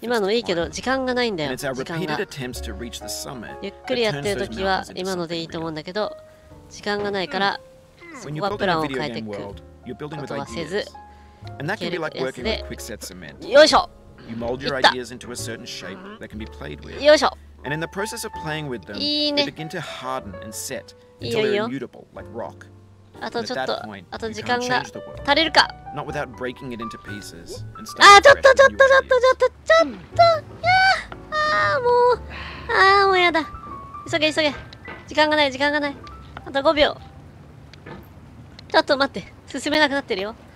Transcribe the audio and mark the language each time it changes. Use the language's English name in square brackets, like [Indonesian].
[Japanese] 今のいいけど時間がないんだよ。時間が。ゆっくりやってる時は今のでいいと思うんだけど、時間がないからそこはプランを変えていくことはせず、 [English] And that can be like working with quick set cement. [Japanese] よいしょ。 [English] You mold your ideas into a certain shape that can be played with. [Japanese] よいしょ。 [English] And in the process of playing with them, [Japanese] いいね、 [English] they begin to harden and set until they're immutable, like rock. [Japanese] あとちょっと、あと時間が足りるか。 [English] Not without breaking it into pieces and starting fresh. [Japanese] あ、ちょっとちょっとちょっとちょっとちょっと、やあ、もう、ああもうやだ。急げ急げ。時間がない時間がない。あと5秒。ちょっと待って、進めなくなってるよ。